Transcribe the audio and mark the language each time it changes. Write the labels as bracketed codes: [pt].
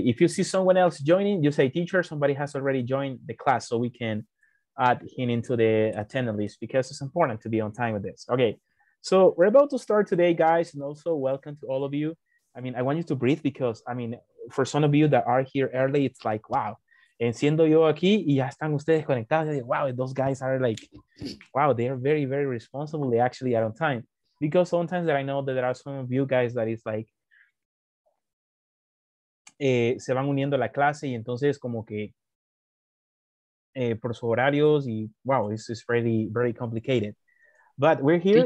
[en] If you see someone else joining, you say, teacher, somebody has already joined the class so we can add him into the attendance list because it's important to be on time with this. Okay, so we're about to start today, guys, and also welcome to all of you. I mean, I want you to breathe because, I mean, for some of you that are here early, it's like, wow. [es] Enciendo yo aquí y ya están ustedes conectados. Yo digo, [en] wow, those guys are like, wow, they are very, very responsible. They actually are on time. Because sometimes that I know that there are some of you guys that is like, [es] se van uniendo a la clase y entonces como que por sus horarios y [en] wow, it's really very complicated. But we're here.